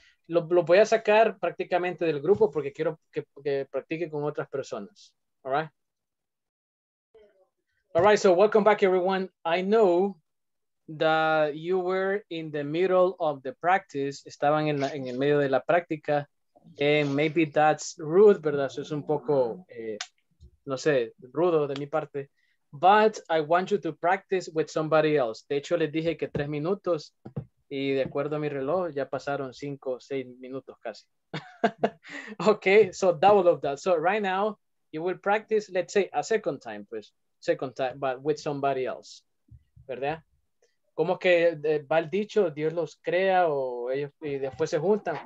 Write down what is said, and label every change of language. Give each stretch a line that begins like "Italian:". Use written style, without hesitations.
Spanish: Lo voy a sacar prácticamente del grupo porque quiero que practique con otras personas.
English: All right, so welcome back, everyone. I know that you were in the middle of the practice.
Spanish: Estaban en el medio de la práctica.
English: And maybe that's rude,
Spanish: ¿verdad? So es un poco, no sé, rudo de mi parte.
English: But I want you to practice with somebody else.
Spanish: De hecho, les dije que 3 minutos. Y de acuerdo a mi reloj, ya pasaron 5 o 6 minutos casi.
English: Okay, so double of that. So right now, you will practice, let's say, a second time, pues, second time, but with somebody else, ¿verdad?
Spanish: ¿Cómo que va el dicho, Dios los crea o ellos y después se juntan?